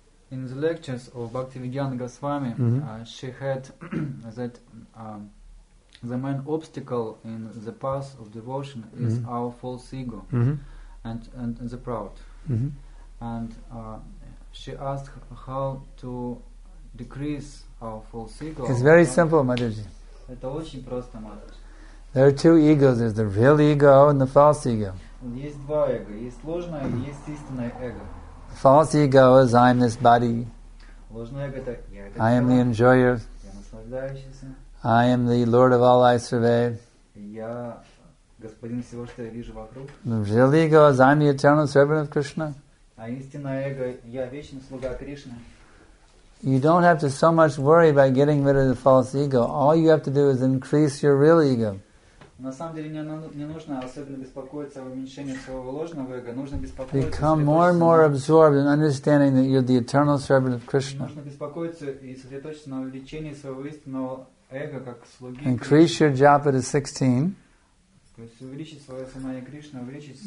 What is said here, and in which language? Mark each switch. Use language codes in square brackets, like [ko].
[en] In the lectures of Bhakti Vigyana Goswami, she had that the main obstacle in the path of devotion is our false ego and the pride. And she asked how to decrease our false ego. It's very simple, Mataji. [ru] Это очень просто, Матаджи. [en] There are two egos. There's the real ego and the false ego. [ru] Есть два эго. Есть ложное и есть истинное эго. [en] False ego is I'm this body. [ru] Ложное эго это я. [en] I am the enjoyer. [ru] Я наслаждающийся. [en] I am the Lord of all I survey. [ru] Я господин всего, что я вижу вокруг. [en] The real ego is I'm the eternal servant of Krishna. [ru] А истинное эго я вечный слуга Кришны. [en] You don't have to so much worry about getting rid of the false ego. All you have to do is increase your real ego. [ru] На самом деле не нужно особенно беспокоиться о уменьшении своего ложного эго. Нужно беспокоиться. [en] Become more and more absorbed in understanding that you're the eternal servant of Krishna. [ru] Нужно беспокоиться и сосредоточиться на увеличении своего истинного эго как слуги. [en] Increase your japa to 16. [ru] То есть увеличить свое сознание Кришны, увеличить.